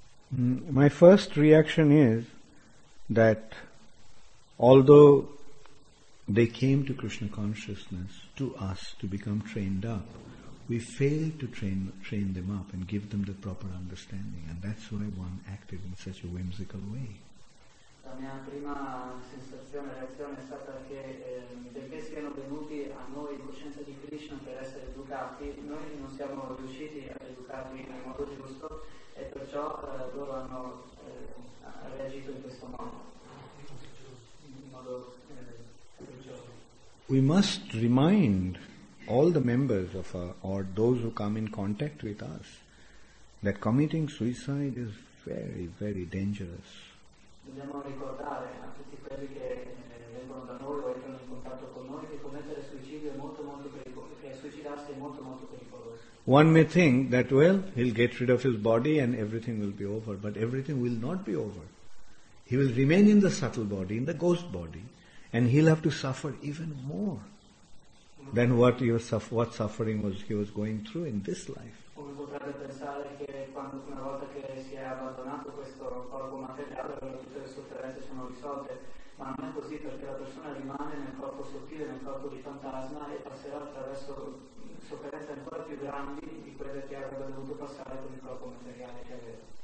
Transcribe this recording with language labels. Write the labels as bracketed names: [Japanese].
[English] My first reaction is that although they came to Krishna consciousness to us to become trained up, we failed to train them up and give them the proper understanding, and that's why one acted in such a whimsical way. [Italian] La mia prima sensazione, reazione è stata che perché siano venuti a noi in coscienza di Krishna per essere educati, noi non siamo riusciti a educarli in modo giusto e perciò loro hanno reagito in questo modo, in modo peggiore. [English] We must remind all the members of our, or those who come in contact with us, that committing suicide is very, very dangerous. [Italian] Dobbiamo ricordare a tutti quelli che vengono da noi o entrano in contatto con noi che commettere suicidio è molto molto pericoloso, che suicidarsi è molto molto pericoloso. [English] One may think that, well, he'll get rid of his body and everything will be over, but everything will not be over. He will remain in the subtle body, in the ghost body, and he'll have to suffer even more than what suffering was he was going through in this life. [Italian] Come potrebbe pensare che quando una volta che si è abbandonato questo corpo materiale tutte le sofferenze sono risolte, ma non è così, perché la persona rimane nel corpo sottile, nel corpo di fantasma, e passerà attraverso sofferenze ancora più grandi di quelle che avrebbe dovuto passare con il corpo materiale che aveva.